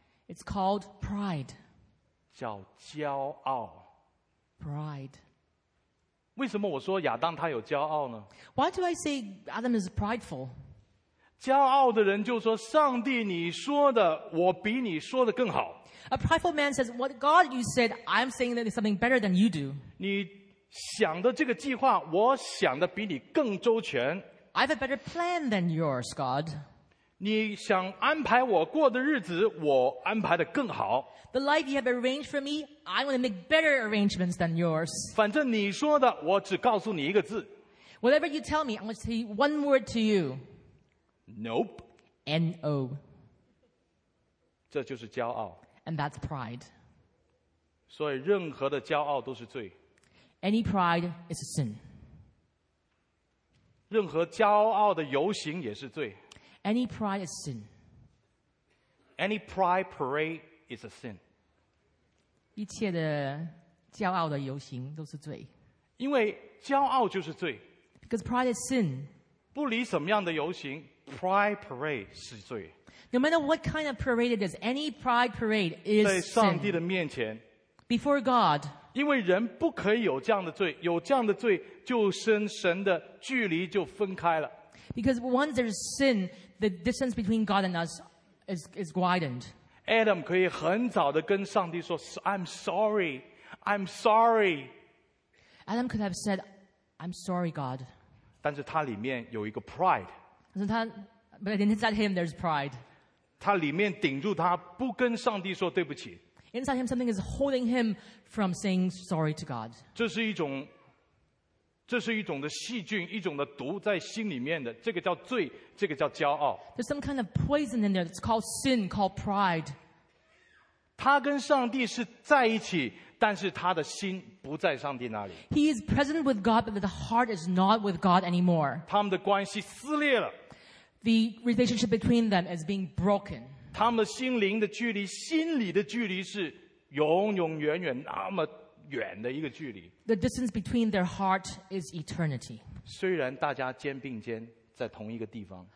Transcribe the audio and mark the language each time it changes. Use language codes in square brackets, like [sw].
[en] It's called pride. [zh] 叫骄傲。 [en] Pride. [zh] 为什么我说亚当他有骄傲呢？ [en] Why do I say Adam is prideful? [zh] 骄傲的人就说：“上帝，你说的我比你说的更好。” [en] A prideful man says, "What God you said, I'm saying that is something better than you do." [zh] 你想的这个计划，我想的比你更周全。 [en] I have a better plan than yours, God. [zh] 你想安排我过的日子，我安排的更好。 [en] The life you have arranged for me, I want to make better arrangements than yours. [zh] 反正你说的，我只告诉你一个字。 [en] Whatever you tell me, I'm going to say one word to you. Nope. N-O. [zh] 这就是骄傲。 [en] And that's pride. [zh] 所以任何的骄傲都是罪。 [en] Any pride is a sin. [zh] 任何骄傲的游行也是罪。 [en] Any pride is sin. Any pride parade is a sin. [zh] 一切的骄傲的游行都是罪。因为骄傲就是罪。 [en] Because pride is sin. [zh] 不理什么样的游行 , [en] pride parade [zh] 是罪。 [en] No matter what kind of parade it is, any pride parade is sin. [zh] 在上帝的面前。 [en] Before God. [zh] 因为人不可以有这样的罪，有这样的罪就跟神的距离就分开了。 [en] Because once there's sin, the distance between God and us is widened. [zh] Adam 可以很早地跟上帝说 [en] I'm sorry, I'm sorry. Adam could have said, I'm sorry, God. [zh] 但是他里面有一个 pride. [en] But inside him, there's pride. [zh] 他里面顶住他不跟上帝说对不起。 [en] Inside him, something is holding him from saying sorry to God. [zh] 这是一种的细菌，一种的毒在心里面的，这个叫罪，这个叫骄傲。 [en] There's some kind of poison in there. It's called sin, called pride. [zh] 他跟上帝是在一起，但是他的心不在上帝那里。 [en] He is present with God, but the heart is not with God anymore. [zh] 他们的关系撕裂了。 [en] The relationship between them is being broken. [zh] 他们的心灵的距离，心里的距离是永永远远那么远的一个距离。 [en] The distance between their heart is eternity. [zh] 虽然大家肩并肩在同一个地方。